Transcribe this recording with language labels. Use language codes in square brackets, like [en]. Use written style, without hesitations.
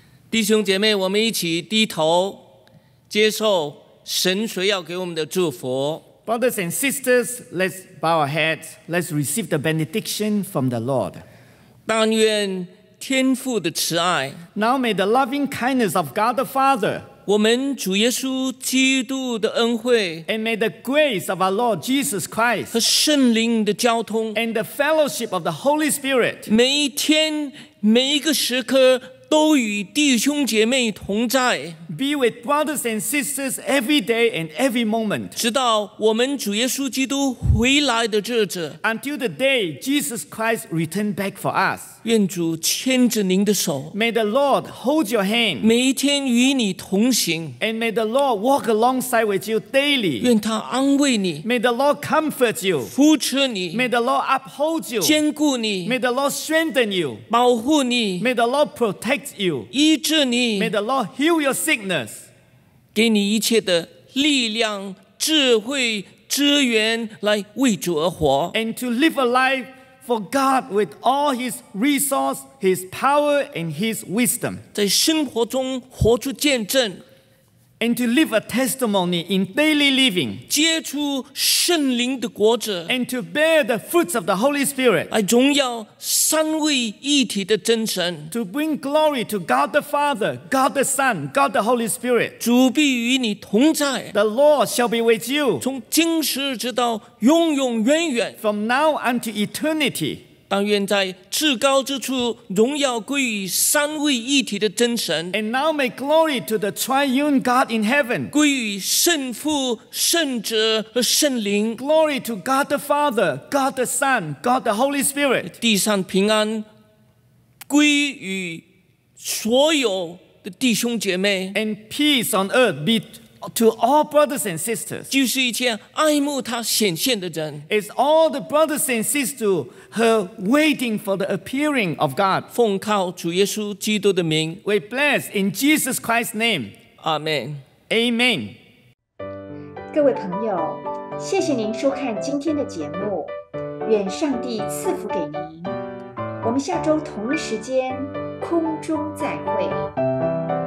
[zh] 弟兄姐妹，我们一起低头接受神所要给我们的祝福。 [en] Brothers and sisters, let's bow our heads. Let's receive the benediction from the Lord. [zh] 但愿天父的慈爱， [en] Now may the loving kindness of God the Father, [zh] 我们主耶稣基督的恩惠， [en] And may the grace of our Lord Jesus Christ, [zh] 和圣灵的交通， [en] And the fellowship of the Holy Spirit, [zh] 每一天每一个时刻都与弟兄姐妹同在。 [en] Be with brothers and sisters every day and every moment. [zh] 直到我们主耶稣基督回来的日子。 [en] Until the day Jesus Christ returns back for us. [zh] 愿主牵着您的手。 [en] May the Lord hold your hand. [zh] 每一天与你同行。 [en] And may the Lord walk alongside with you daily. [zh] 愿他安慰你。 [en] May the Lord comfort you. [zh] 扶持你。 [en] May the Lord uphold you. [zh] 坚固你。 [en] May the Lord strengthen you. [zh] 保护你。 [en] May the Lord protect you, [zh] 医治你。 [en] May the Lord heal your sickness. [zh] 给你一切的力量、智慧、资源来为主而活。 [en] And to live a life for God with all His resource, His power, and His wisdom. [zh] 在生活中活出见证。 [en] And to live a testimony in daily living. [zh] 结出圣灵的果子。 [en] And to bear the fruits of the Holy Spirit. [zh] 来荣耀三位一体的真神。 [en] To bring glory to God the Father, God the Son, God the Holy Spirit. [zh] 主必与你同在。 [en] The Lord shall be with you. [zh] 从今时直到永永远远。 [en] From now unto eternity. [zh] 但愿在至高之处荣耀归于三位一体的真神。 [en] And now may glory to the triune God in heaven. [zh] 归于圣父、圣子和圣灵。 [en] Glory to God the Father, God the Son, God the Holy Spirit. [zh] 地上平安归于所有的弟兄姐妹。 [en] And peace on earth be to all brothers and sisters. [zh] 就是一切爱慕他显现的人。 [en] It's all the brothers and sisters who are waiting for the appearing of God. [zh] 奉靠主耶稣基督的名。 [en] We bless in Jesus Christ's name. Amen. Amen. [zh] 各位朋友，谢谢您收看今天的节目，愿上帝赐福给您。我们下周同一时间空中再会。